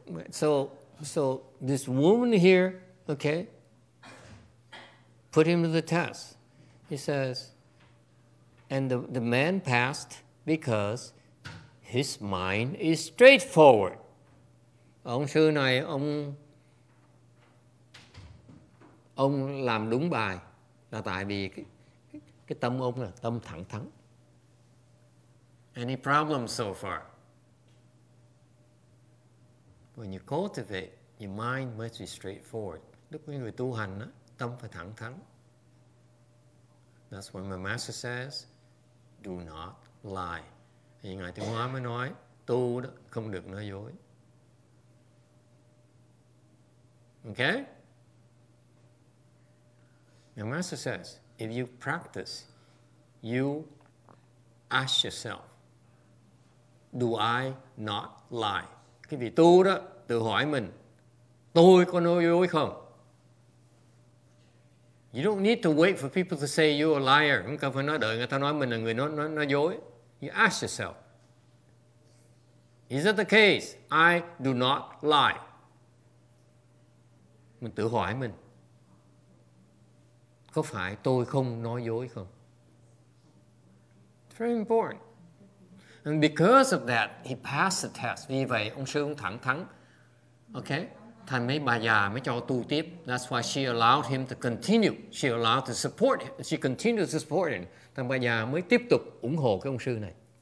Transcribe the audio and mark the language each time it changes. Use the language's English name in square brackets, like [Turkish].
[English] So this woman here, okay, put him to the test. He says, and the man passed because his mind is straightforward. [Vietnamese] Ông sư này ông làm đúng bài là tại vì cái tâm ông là tâm thẳng thắn. [English] Any problems so far? When you cultivate, your mind must be straightforward. [Vietnamese] Lúc người tu hành á, tâm phải thẳng thắn. [English] That's what my master says, do not lie. [Vietnamese] Thì Ngài Trung Hoa mới nói, tu đó không được nói dối. [English] Okay? My master says, if you practice, you ask yourself, do I not lie? [Vietnamese] Cái vị tu đó tự hỏi mình, tôi có nói dối không? [English] You don't need to wait for people to say you're a liar. [Vietnamese] Không cần phải nói đợi người ta nói mình là người nói dối. [English] You ask yourself, is that the case? I do not lie. [Vietnamese] Mình tự hỏi mình, có phải tôi không nói dối không? [English] It's very important. And because of that, he passed the test. [Vietnamese] Vì vậy, ông sư cũng thẳng thắn. Okay? Thành mấy bà già mới cho tu tiếp. [English] That's why she allowed him to continue. She allowed to support him. She continued to support him. [Vietnamese] Thành bà già mới tiếp tục ủng hộ cái ông sư này.